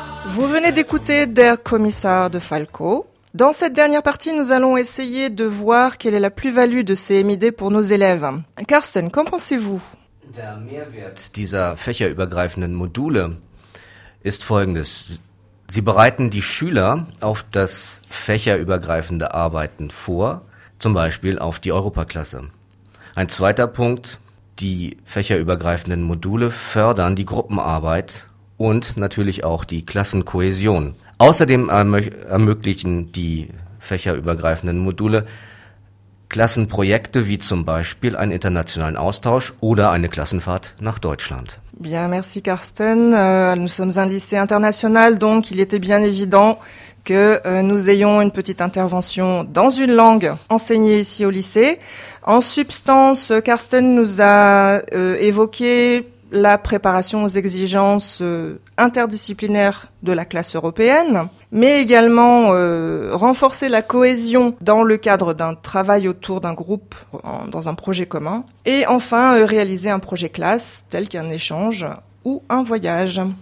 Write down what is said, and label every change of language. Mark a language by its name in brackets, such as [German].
[French] Vous venez d'écouter Der Kommissar de Falco. Dans cette dernière partie, nous allons essayer de voir quelle est la plus-value de ces MID pour nos élèves. Carsten, qu'en pensez-vous ? [German] Der Mehrwert dieser fächerübergreifenden Module ist folgendes. Sie bereiten die Schüler auf das fächerübergreifende Arbeiten vor, zum Beispiel auf die Europaklasse. Ein zweiter Punkt, die fächerübergreifenden Module fördern die Gruppenarbeit und natürlich auch die Klassenkohäsion. Außerdem ermöglichen die fächerübergreifenden Module Klassenprojekte wie zum Beispiel einen internationalen Austausch oder eine Klassenfahrt nach Deutschland. [French] Bien, merci Carsten. Nous sommes un lycée international, donc il était bien évident que nous ayons une petite intervention dans une langue enseignée ici au lycée. En substance, Carsten nous a évoqué la préparation aux exigences interdisciplinaires de la classe européenne, mais également renforcer la cohésion dans le cadre d'un travail autour d'un groupe, dans un projet commun, et enfin réaliser un projet classe, tel qu'un échange ou un voyage.